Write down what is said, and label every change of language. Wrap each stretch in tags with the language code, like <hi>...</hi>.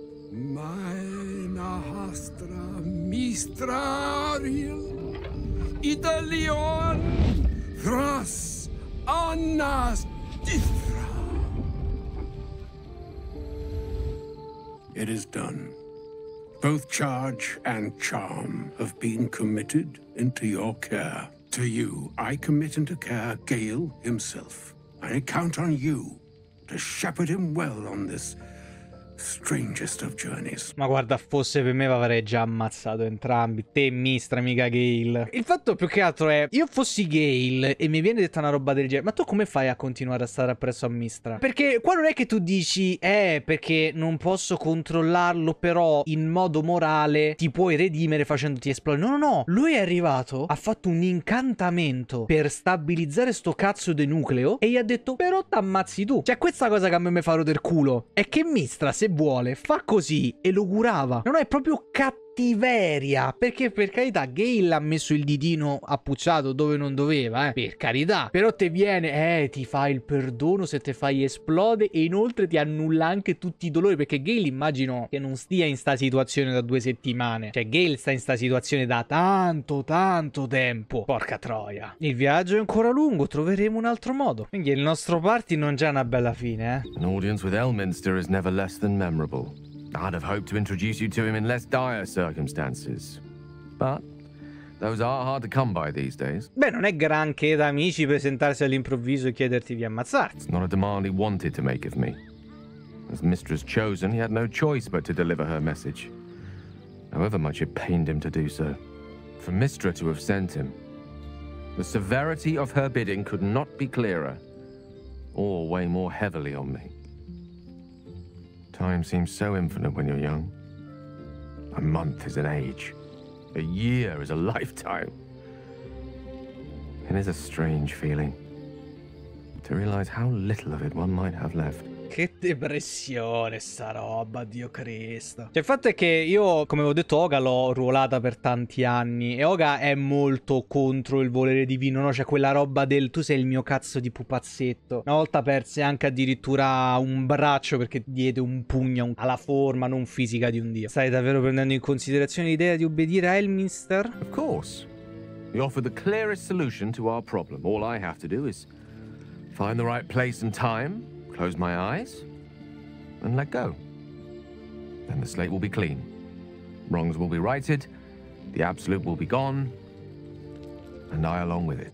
<en>Mine astra mistrarium idalion thras annas distra. It is done. Both charge and charm have been committed into your care. To you, I commit into care Gale himself. And I count on you to shepherd him well on this strangest of journeys.</en> <it>Ma guarda, fosse per me avrei già ammazzato entrambi. Te, Mistra, mica Gale. Il fatto più che altro è, io fossi Gale e mi viene detta una roba del genere, ma tu come fai a continuare a stare appresso a Mistra? Perché qua non è che tu dici, perché non posso controllarlo, però in modo morale ti puoi redimere facendoti esplodere. No, no, no. Lui è arrivato, ha fatto un incantamento per stabilizzare sto cazzo di nucleo e gli ha detto, però t'ammazzi tu. Cioè, questa cosa che a me mi fa roder culo è che Mistra, se vuole, fa così e lo curava. Non è proprio cattiveria, perché per carità Gale ha messo il ditino appucciato dove non doveva, per carità, però te viene, ti fa il perdono se te fai esplode e inoltre ti annulla anche tutti i dolori, perché Gale immagino che non stia in sta situazione da 2 settimane, cioè Gale sta in sta situazione da tanto tanto tempo. Porca troia, il viaggio è ancora lungo, troveremo un altro modo. Quindi il nostro party non già una bella fine,</it> <en>An audience with Elminster is never less than memorable. I'd have hoped to introduce you to him in less dire circumstances, but those are hard to come by these days.</en> <it>Beh, non è granché da amici presentarsi all'improvviso e chiederti di ammazzarti.</it> <en>It's not a demand he wanted to make of me. As Mistress Chosen, he had no choice but to deliver her message, however much it pained him to do so. For Mistra to have sent him, the severity of her bidding could not be clearer, or weigh more heavily on me. Time seems so infinite when you're young. A month is an age. A year is a lifetime. It is a strange feeling to realize how little of it one might have left.</en> <it>Che depressione sta roba, Dio Cristo. Cioè, il fatto è che io, come ho detto, Oga l'ho ruolata per tanti anni. E Oga è molto contro il volere divino, no? Cioè, quella roba del tu sei il mio cazzo di pupazzetto. Una volta perse anche addirittura un braccio perché diede un pugno alla forma non fisica di un dio. Stai davvero prendendo in considerazione l'idea di obbedire a Elminster?</it> <en>Of course. You offer the clearest solution to our problem. All I have to do is find the right place and time. Close my eyes and let go. Then the slate will be clean. Wrongs will be righted, the absolute will be gone, and I along with it.</en>